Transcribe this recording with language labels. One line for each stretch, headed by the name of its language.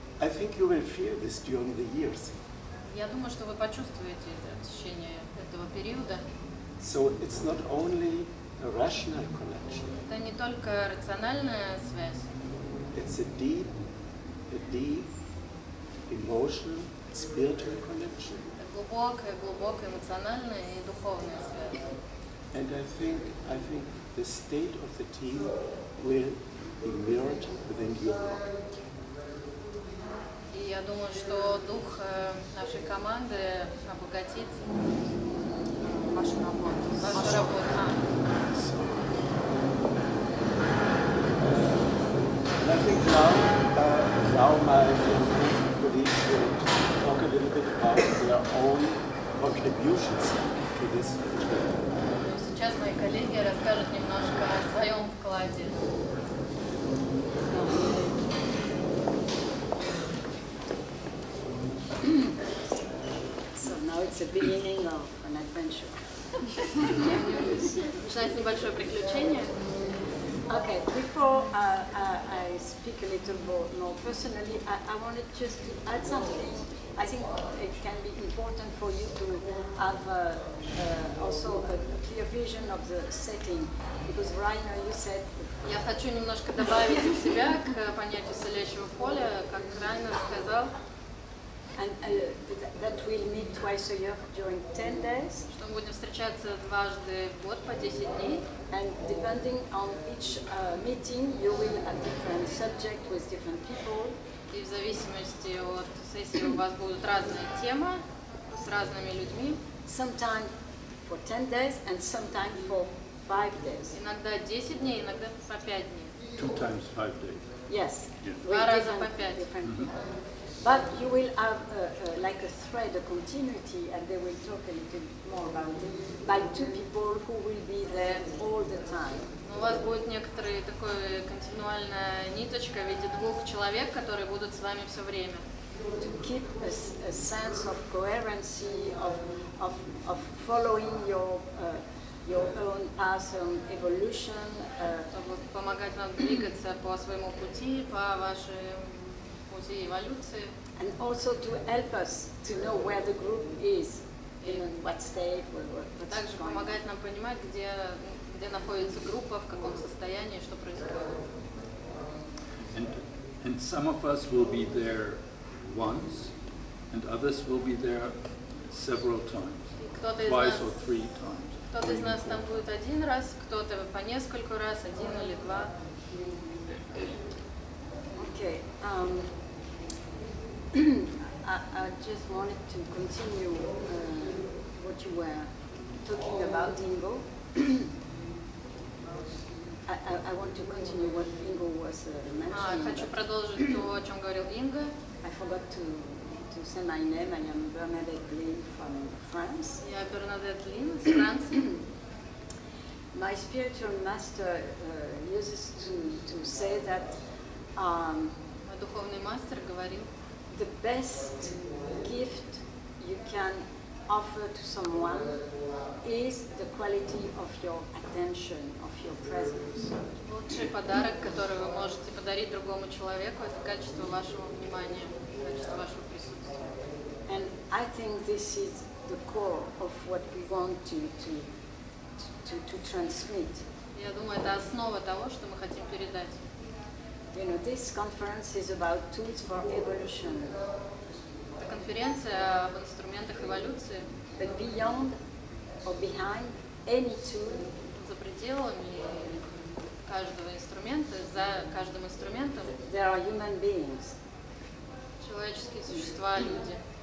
English: I think you will feel this during the years.
Russian: Я думаю, что вы почувствуете это в течение этого периода.
English: So it's not only a rational connection.
Russian: Это не только рациональная связь.
English: It's a deep emotional, spiritual connection.
Russian: Это глубокая эмоциональная и духовная связь.
English: And I think the state of the team will be mirrored within you.
Russian: Я думаю, что дух нашей команды обогатит вашу работу.
English: And I think now my colleagues will talk a little bit about their own contributions to this.
Russian: Сейчас мои коллеги расскажут немножко о своем вкладе.
English: It's a beginning of an adventure.
Russian: Начинается небольшое приключение.
English: Okay, before I speak a little more personally, I wanted just to add something. I think it can be important for you to have also a clear vision of the setting, because Rainer, you said.
Russian: Я хочу немножко добавить от себя к понятию целящего поля, как Rainer сказал.
English: And that we'll meet twice a year during 10 days.
Russian: Что мы будем встречаться дважды в год по 10 дней.
English: And depending on each meeting, you will have different subject with different people.
Russian: И в зависимости от сессии у вас будут разные темы с разными людьми.
English: Sometimes for 10 days and sometimes for 5 days.
Russian: Иногда 10 дней, иногда по 5 дней.
English: Two times 5 days. Yes.
Russian: Два раза по 5.
English: But you will have like a thread, a continuity, and they will talk a little more about it by two people who will be there all the time.
Russian: У вас будет некоторая такая континуальная ниточка в виде двух человек, которые будут с вами все время.
English: To keep a sense of coherency, of following your own personal evolution.
Russian: Чтобы помогать вам двигаться по своему пути, по вашей пути эволюции.
English: And also to help us to know where the group is, in what state, what's
Russian: Также
English: going.
Russian: Помогать нам понимать, где находится группа, в каком состоянии, что происходит.
English: And some of us will be there once, and others will be there several times, twice or three times.
Russian: Кто-то из нас там будет один раз, кто-то по нескольку раз, один или два.
English: Okay. I just wanted to continue what you were talking about, Ingo. I want to continue what Ingo was mentioning. Хочу продолжить то, о чем говорил Инго. I forgot to say my name. I am Bernadette Lynn from France.
Russian: Я Бернадетт Лин из Франции.
English: My spiritual master uses to say that.
Russian: Мой духовный мастер говорил.
English: The best gift you can offer to someone is the quality of your attention, of your presence.
Russian: Лучший подарок, который вы можете подарить другому человеку, это качество вашего внимания, качество вашего присутствия.
English: And I think this is the core of what we want to transmit.
Russian: Я думаю, это основа того, что мы хотим передать.
English: You know, this conference is about tools for evolution.
Russian: Это конференция об инструментах эволюции.
English: But beyond or behind any tool.
Russian: За пределами каждого инструмента, за каждым инструментом.
English: There are human beings.
Russian: Человеческие существа, люди.